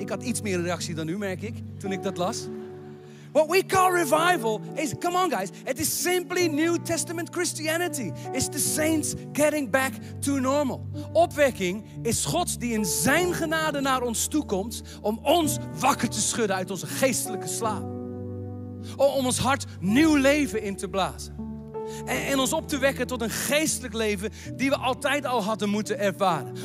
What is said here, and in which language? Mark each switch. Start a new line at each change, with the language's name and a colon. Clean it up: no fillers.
Dutch: Ik had iets meer reactie dan nu, merk ik, toen ik dat las.
English: What we call revival is, come on guys, it is simply New Testament Christianity. It's the saints getting back to normal.
Dutch: Opwekking is God die in zijn genade naar ons toekomt om ons wakker te schudden uit onze geestelijke slaap. Om ons hart nieuw leven in te blazen. En ons op te wekken tot een geestelijk leven die we altijd al hadden moeten ervaren.